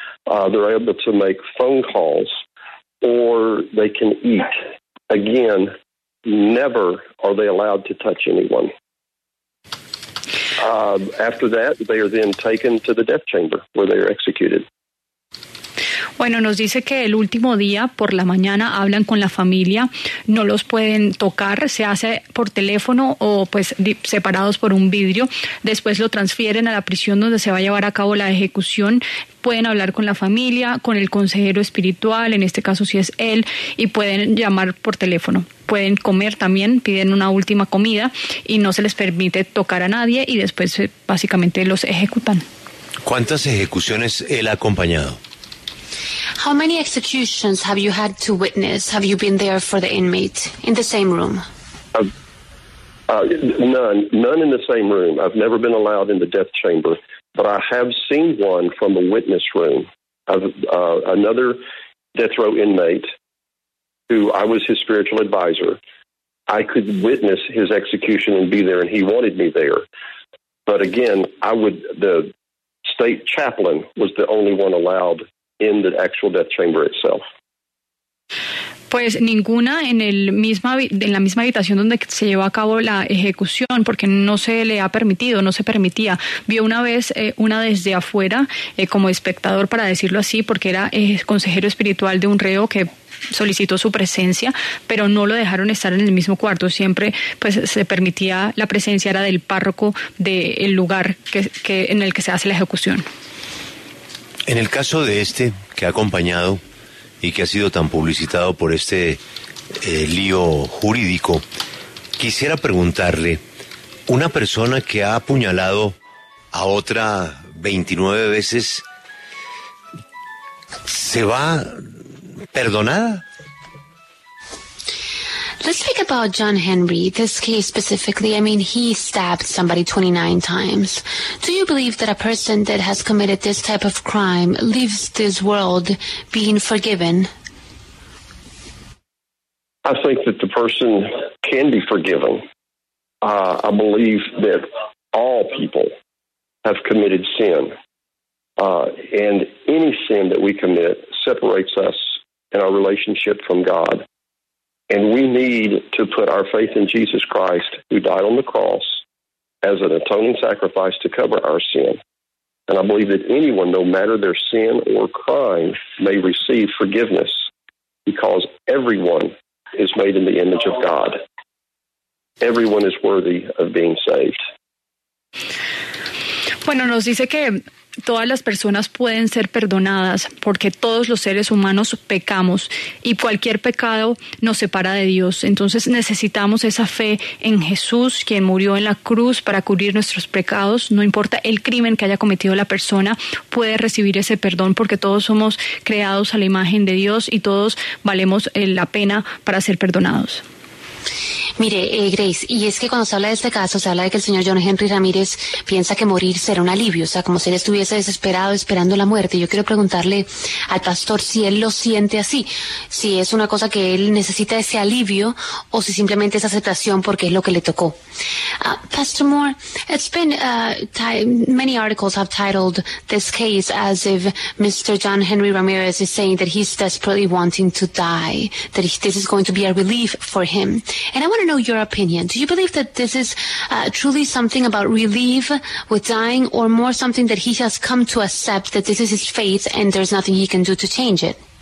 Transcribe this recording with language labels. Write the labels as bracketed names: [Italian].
[English] They're able to make phone calls, or they can eat. Again, never are they allowed to touch anyone. After that, they are then taken to the death chamber, where they are executed. [Spanish] Bueno, nos dice que el último día, por la mañana, hablan con la familia, no los pueden tocar, se hace por teléfono o pues separados por un vidrio. Después lo transfieren a la prisión donde se va a llevar a cabo la ejecución. Pueden hablar con la familia, con el consejero espiritual, en este caso si es él, y pueden llamar por teléfono. Pueden comer también, piden una última comida y no se les permite tocar a nadie, y después básicamente los ejecutan. ¿Cuántas ejecuciones él ha acompañado? [English] How many executions have you had to witness? Have you been there for the inmate in the same room? None in the same room. I've never been allowed in the death chamber, but I have seen one from the witness room. Another death row inmate, who I was his spiritual advisor, I could witness his execution and be there, and he wanted me there. But again, the state chaplain was the only one allowed in the actual death chamber itself. [Spanish] Pues ninguna en la misma habitación donde se llevó a cabo la ejecución, porque no se le ha permitido, no se permitía. Vio una vez una desde afuera, como espectador, para decirlo así, porque era consejero espiritual de un reo que solicitó su presencia, pero no lo dejaron estar en el mismo cuarto. Siempre pues se permitía la presencia, era del párroco del lugar que en el que se hace la ejecución. En el caso de este que ha acompañado y que ha sido tan publicitado por este lío jurídico, quisiera preguntarle, una persona que ha apuñalado a otra 29 veces, ¿se va perdonada? [English] Let's speak about John Henry, this case specifically. I mean, he stabbed somebody 29 times. Do you believe that a person that has committed this type of crime leaves this world being forgiven? I think that the person can be forgiven. I believe that all people have committed sin. And any sin that we commit separates us in our relationship from God. And we need to put our faith in Jesus Christ, who died on the cross, as an atoning sacrifice to cover our sin. And I believe that anyone, no matter their sin or crime, may receive forgiveness, because everyone is made in the image of God. Everyone is worthy of being saved. [Spanish] Bueno, nos dice que todas las personas pueden ser perdonadas porque todos los seres humanos pecamos y cualquier pecado nos separa de Dios. Entonces necesitamos esa fe en Jesús, quien murió en la cruz para cubrir nuestros pecados. No importa el crimen que haya cometido la persona, puede recibir ese perdón porque todos somos creados a la imagen de Dios y todos valemos la pena para ser perdonados. Mire, Grace, y es que cuando se habla de este caso, se habla de que el señor John Henry Ramírez piensa que morir será un alivio, o sea, como si él estuviese desesperado, esperando la muerte. Yo quiero preguntarle al pastor si él lo siente así, si es una cosa que él necesita ese alivio, o si simplemente es aceptación porque es lo que le tocó. [English] Pastor Moore, it's been many articles have titled this case as if Mr. John Henry Ramírez is saying that he's desperately wanting to die, that this is going to be a relief for him. And I want to know your opinion. Do you believe that this is truly something about relief with dying, or more something that he has come to accept that this is his fate and there's nothing he can do to change it?